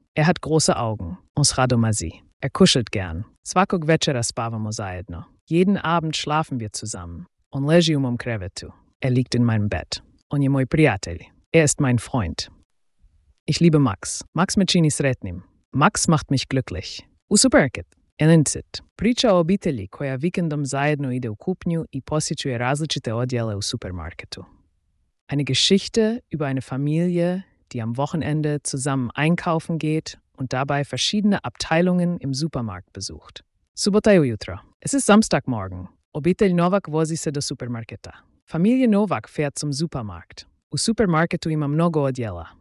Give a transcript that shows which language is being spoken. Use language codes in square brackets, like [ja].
[de] Er hat große Augen. [hr] On srado mazi. [de] Er kuschelt gern. [hr] Svakog večera spavamo zajedno. [de] Jeden Abend schlafen wir zusammen. [hr] On leži u mom krevetu. [de] Er liegt in meinem Bett. [hr] On je moj prijatelj. [de] Er ist mein Freund. Ich liebe Max. [hr] Max me čini sretnim. [de] Max macht mich glücklich. U superket. Elincit. [hr] Priča o obitelji koja vikendom zajedno ide u kupnju i posjećuje različite odjele u supermarketu. [de] Eine Geschichte über eine Familie, die am Wochenende zusammen einkaufen geht und dabei verschiedene Abteilungen im Supermarkt besucht. [hr] Subota je ujutro. [de] Es ist Samstagmorgen. [hr] Obitelj Novak vozi se do supermarketa. [de] Familie Novak fährt zum Supermarkt. [hr] U supermarketu ima mnogo odjela.